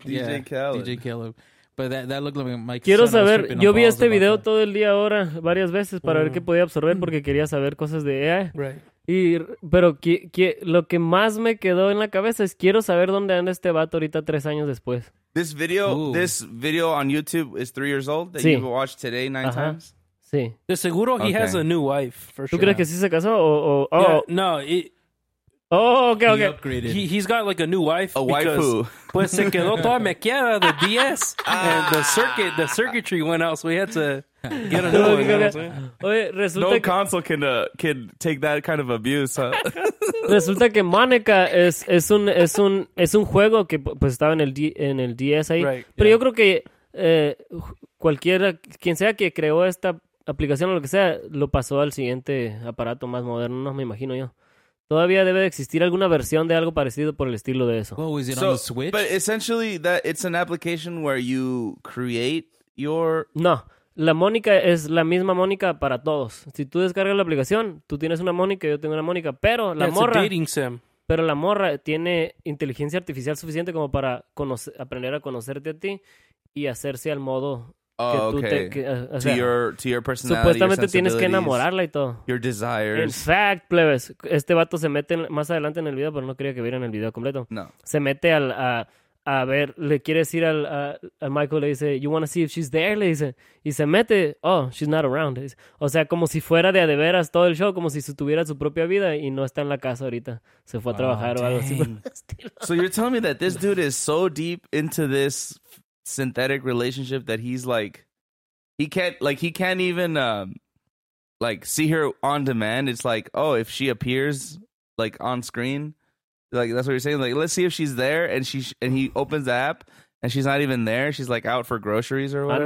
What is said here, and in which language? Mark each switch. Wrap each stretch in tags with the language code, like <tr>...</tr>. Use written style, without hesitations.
<en>DJ Khaled. DJ Khaled. But that looked like my</en> <es>quiero</es> <en>son</en> <es>saber, yo vi este video todo el día ahora varias veces para ver qué podía absorber porque quería saber cosas de AI.</es> <en>Right.</en> <es>Pero lo que más me quedó en la cabeza es quiero saber dónde anda este vato ahorita 3 años después.</es> <en>This video on YouTube is 3 years old that you've watched today 9 uh-huh. times?</en> <es>Sí. De seguro</es> <en>he has a new wife, for sure.</en> <es>¿Tú crees que sí se casó o oh.</es> <en>Yeah, no, Okay. He's got like a new wife. A waifu.</en> <es>Pues se quedó toda mequeada the DS.</es> <en>And the circuitry went out, so we had to get a new one.</en> <es>Oye, resulta</es> <en>no console can take that kind of abuse, huh?</en> <es>Resulta que Monica es un juego que pues estaba en el DS ahí.</es> <en>Right,</en> <es>pero</es> <en>yeah.</en> <es>Yo creo que cualquiera, quien sea que creó esta aplicación o lo que sea, lo pasó al siguiente aparato más moderno, no me imagino yo. Todavía debe de existir alguna versión de algo parecido por el estilo de eso.</es> <en>Well, is it on the Switch? But essentially, that it's an application where you create your...</en> <es>No, la Mónica es la misma Mónica para todos. Si tú descargas la aplicación, tú tienes una Mónica, yo tengo una Mónica, pero la morra...</es> <en>It's a dating sim.</en> <es>Pero la morra tiene inteligencia artificial suficiente como para aprender a conocerte a ti y hacerse al modo...</es> <en>Oh,</en> <es>que</es> <en>okay. To your personality.</en> <es>Supuestamente tienes que enamorarla y todo.</es> <en>Your desires. In fact,</en> <es>plebes, este vato se mete más adelante en el video, pero no quería que vieran el video completo.</es> <en>No.</en> <es>Se mete a ver, le quiere decir a Michael, le dice,</es> <en>you want to see if she's there,</en> <es>le dice. Y se mete,</es> <en>oh, she's not around.</en> <es>Dice, o sea, como si fuera de veras todo el show, como si tuviera su propia vida y no está en la casa ahorita. Se fue a trabajar o algo así.</es> <en>So you're telling me that this dude is so deep into this synthetic relationship that he's like he can't even like see her on demand. It's like, oh, if she appears like on screen, like that's what you're saying, like let's see if she's there, and he opens the app and she's not even there, she's like out for groceries or whatever.</en>